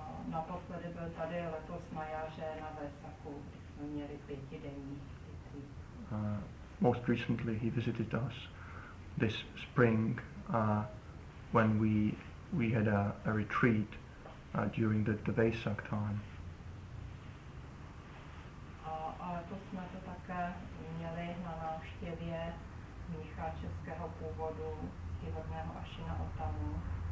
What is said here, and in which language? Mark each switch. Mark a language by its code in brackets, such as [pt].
[cs] Naposledy byl tady letos na jaře na Vesaku, jsme měli pětidenní retreat. [en] Most recently he visited us this spring when we had a retreat during the Vesak time. [cs] A to jsme to také měli na návštěvě mnicha českého původu, ctihodného Ašina Otamu.